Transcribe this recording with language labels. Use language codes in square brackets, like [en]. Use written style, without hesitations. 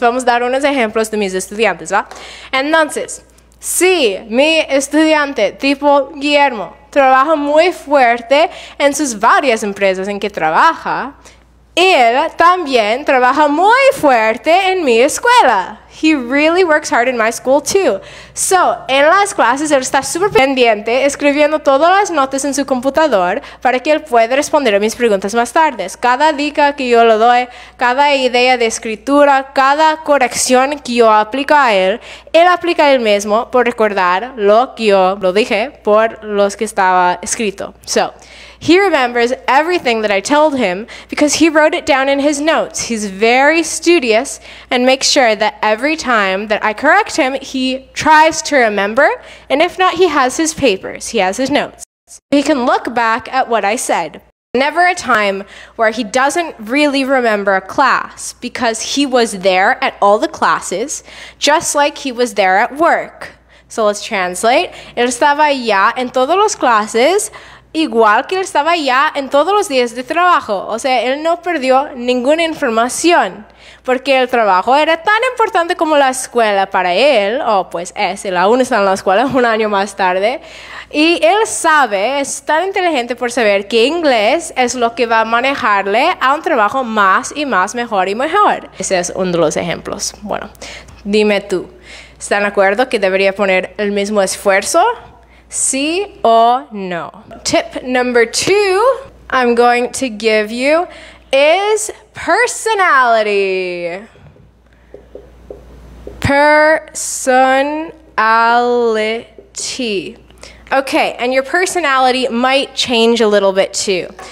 [es] Vamos a dar unos ejemplos de mis estudiantes, ¿va? Entonces, si mi estudiante tipo Guillermo trabaja muy fuerte en sus varias empresas en que trabaja, él también trabaja muy fuerte en mi escuela. [en] He really works hard in my school too. [es] So, en las clases, él está súper pendiente, escribiendo todas las notas en su computador para que él pueda responder a mis preguntas más tarde. Cada dica que yo le doy, cada idea de escritura, cada corrección que yo aplico a él, él aplica él mismo por recordar lo que yo lo dije por los que estaba escrito. [en] So, he remembers everything that I told him because he wrote it down in his notes. He's very studious and makes sure that every time that I correct him, he tries to remember. And if not, he has his papers. He has his notes. He can look back at what I said. Never a time where he doesn't really remember a class because he was there at all the classes, just like he was there at work. So let's translate. [es] Él estaba allá en todas las clases, igual que él estaba ya en todos los días de trabajo. O sea, él no perdió ninguna información porque el trabajo era tan importante como la escuela para él. O pues es, él aún está en la escuela un año más tarde. Y él sabe, es tan inteligente por saber que inglés es lo que va a manejarle a un trabajo más y más mejor y mejor. Ese es uno de los ejemplos. Bueno, dime tú, ¿están de acuerdo que debería poner el mismo esfuerzo? Sí o no. [en] Tip number two I'm going to give you is personality. Personality. Okay, and your personality might change a little bit too.